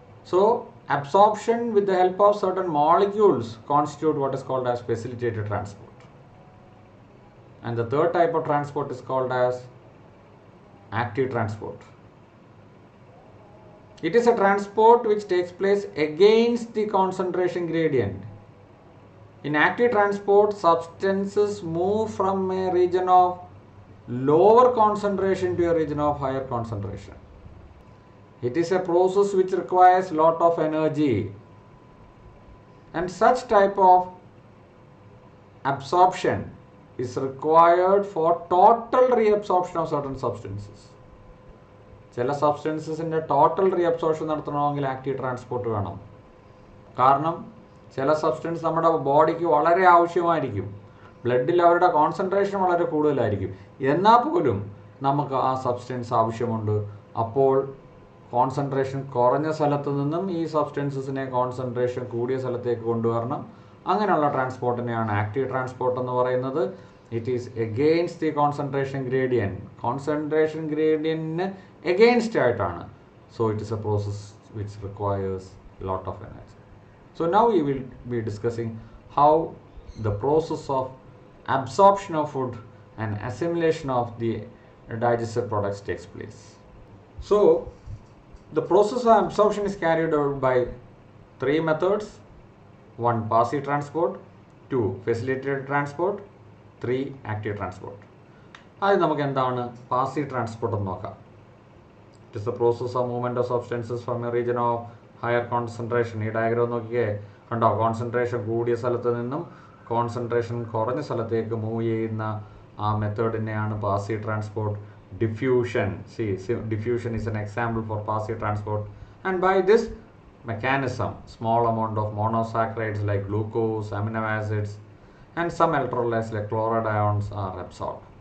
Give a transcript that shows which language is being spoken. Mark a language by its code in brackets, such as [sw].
[en] So absorption with the help of certain molecules constitute what is called as facilitated transport. And the third type of transport is called as active transport. It is a transport which takes place against the concentration gradient. In active transport, substances move from a region of lower concentration to a region of higher concentration. It is a process which requires a lot of energy. And such type of absorption is required for total reabsorption of certain substances. [ml] Chela substances in a total reabsorption nadathanavengil active transport venam. Karanam ചില substance നമ്മുടെ ബോഡിക്ക് വളരെ ആവശ്യമായിരിക്കും, ബ്ലഡിൽ അവരുടെ concentration വളരെ കൂടുതലായിരിക്കും, എന്നാൽ പോലും നമുക്ക് ആ സബ്സ്റ്റൻസ് ആവശ്യമുണ്ട്. അപ്പോൾ കോൺസെൻട്രേഷൻ കുറഞ്ഞ സ്ഥലത്ത് നിന്നും ഈ സബ്സ്റ്റൻസിനെ കോൺസെൻട്രേഷൻ കൂടിയ സ്ഥലത്തേക്ക് കൊണ്ടുവരണം. അങ്ങനെയുള്ള ട്രാൻസ്പോർട്ടിനെയാണ് ആക്റ്റീവ് ട്രാൻസ്പോർട്ട് എന്ന് പറയുന്നത്. [en] It is against the concentration gradient. [ml] Concentration ഗ്രേഡിയൻറ്റിന് against ആയിട്ടാണ്. [en] So it is a process which requires lot of energy. So now we will be discussing how the process of absorption of food and assimilation of the digested products takes place. So the process of absorption is carried out by three methods: one, passive transport; two, facilitated transport; three, active transport. [ml] Adhu namak endana passive transport nu nokka. [en] It is the process of movement of substances from a region of higher concentration. [ml] ഈ diagram നോക്കിയേ കണ്ടോ, concentration കൂടിയ സ്ഥലത്ത് നിന്നും concentration കുറഞ്ഞ സ്ഥലത്തേക്ക് move ചെയ്യുന്ന ആ മെത്തേഡിനെയാണ് passive transport. [en] Diffusion, see diffusion is an example for passive transport. And by this mechanism small amount of monosaccharides like glucose, amino acids and some electrolytes like chloride ions are absorbed.